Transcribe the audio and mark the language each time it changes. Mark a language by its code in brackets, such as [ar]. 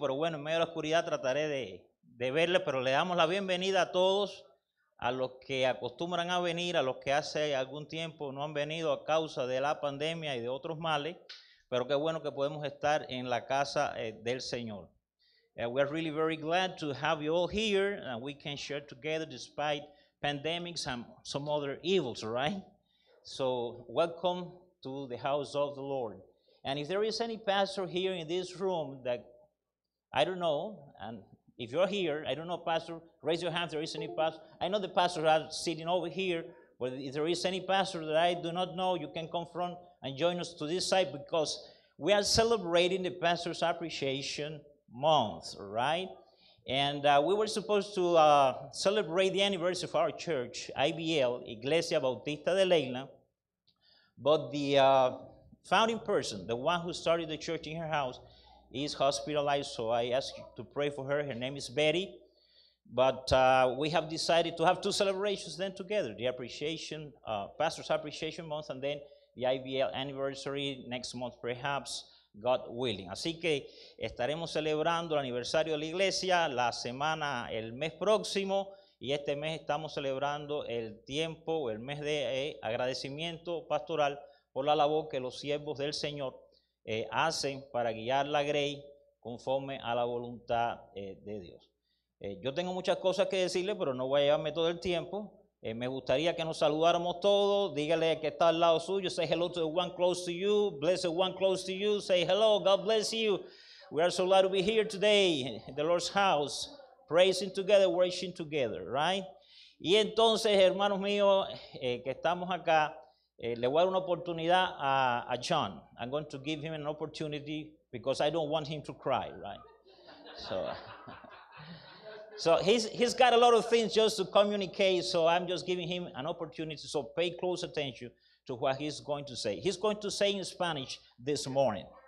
[es] Pero bueno, en medio de la oscuridad trataré de verle, pero le damos la bienvenida a todos, a los que acostumbran a venir, a los que hace algún tiempo no han venido a causa de la pandemia y de otros males, pero qué bueno que podemos estar en la casa del Señor. [en] We are really very glad to have you all here, and we can share together despite pandemics and some other evils, right? So welcome to the house of the Lord. And if there is any pastor here in this room that I don't know, and if you're here, I don't know, Pastor, raise your hand if there is any pastor. I know the pastors are sitting over here, but if there is any pastor that I do not know, you can come front and join us to this side, because we are celebrating the Pastor's Appreciation Month, right? And we were supposed to celebrate the anniversary of our church, IBL, Iglesia Bautista de Leyland, but the founding person, the one who started the church in her house, is hospitalized, so I ask you to pray for her. Her name is Betty, but we have decided to have two celebrations then together, the appreciation, Pastor's Appreciation Month, and then the IBL anniversary next month, perhaps, God willing. [es] Así que estaremos celebrando el aniversario de la iglesia la semana, el mes próximo, y este mes estamos celebrando el tiempo, el mes de agradecimiento pastoral por la labor que los siervos del Señor hacen para guiar la grey conforme a la voluntad de Dios. Yo tengo muchas cosas que decirle, pero no voy a llevarme todo el tiempo. Me gustaría que nos saludáramos todos. Dígale que está al lado suyo. [en] Say hello to the one close to you. Bless the one close to you. Say hello. God bless you. We are so glad to be here today in the Lord's house, praising together, worshiping together, right? [es] Y entonces, hermanos míos, que estamos acá, le voy a dar una oportunidad a John. [en] I'm going to give him an opportunity because I don't want him to cry, right? So he's got a lot of things just to communicate, so I'm just giving him an opportunity, so pay close attention to what he's going to say. He's going to say in Spanish this morning.